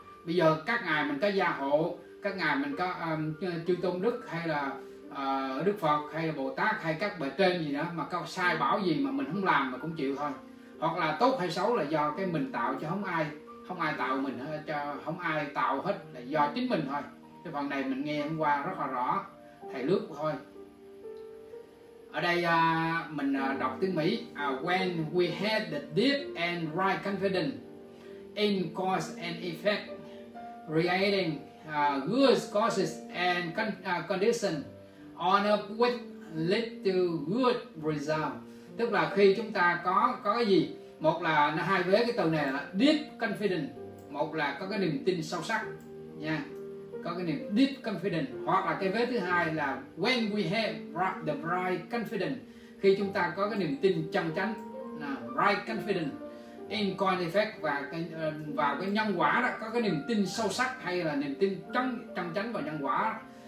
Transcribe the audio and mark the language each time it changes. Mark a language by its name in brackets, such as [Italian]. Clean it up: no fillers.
[Vietnamese] Bây giờ các ngài mình có gia hộ, các ngài mình có chư tôn đức hay là Đức Phật hay là Bồ Tát hay các bề trên gì đó, mà có sai bảo gì mà mình không làm mà cũng chịu thôi. Hoặc là tốt hay xấu là do cái mình tạo chứ không ai, không ai tạo mình hết, cho không ai tạo hết, là do chính mình thôi. Cái phần này mình nghe hôm qua rất là rõ, thầy lướt thôi. Ở đây mình đọc tiếng Mỹ. [English] When we have the deep and right confidence in cause and effect creating good causes and conditions on up with lead to good result. [Vietnamese] Tức là khi chúng ta có cái gì, một là nó hai vế, cái từ này là [English] deep confidence, [Vietnamese] một là có cái niềm tin sâu sắc nha, có cái niềm deep confidence. Hoặc là cái vế thứ hai là [English] when we have the right confidence, [Vietnamese] khi chúng ta có cái niềm tin chân chánh, [English] right confidence in cause effect, [Vietnamese] và vào cái nhân quả đó, có cái niềm tin sâu sắc hay là niềm tin chân chánh vào nhân quả.